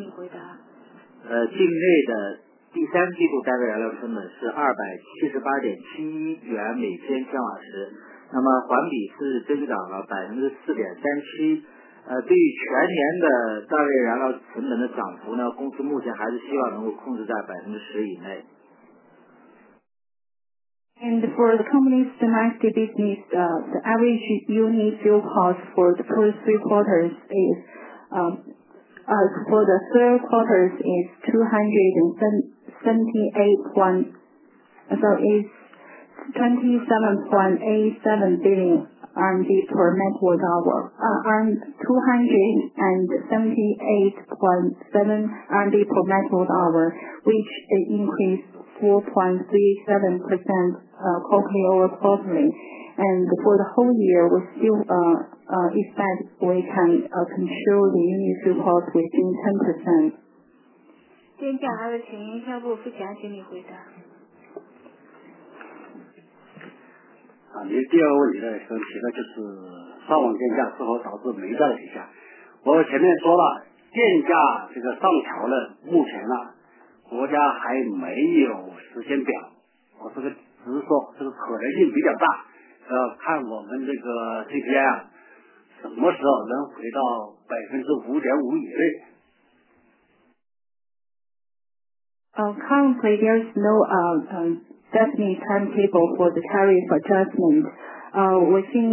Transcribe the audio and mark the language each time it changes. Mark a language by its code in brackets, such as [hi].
[zh] 燃料成本，请财务部黄一清经理回答。境内的第三季度单位燃料成本是278.71元每千千瓦时，那么环比是增长了4.37%。对于全年的单位燃料成本的涨幅呢，公司目前还是希望能够控制在10%以内。 [en] And for the company's domestic business, the average unit fuel cost for the first three quarters is, for the third quarters is 278.7 RMB per megawatt hour, which increased 4.37%quarterly over quarterly, and for the whole year, we still expect we can control the unit fuel cost within 10%. [zh] 电价还是请营销部付钱，请你回答。啊，您第二个问题的问题呢，就是上网电价是否导致煤价的影响？我前面说了，电价这个上调了，目前呢，国家还没有时间表，我这个只是说这个可能性比较大，看我们这个 CPI 啊，什么时候能回到5.5%以内。 [en] Currently, there's no definite timetable for the tariff adjustment.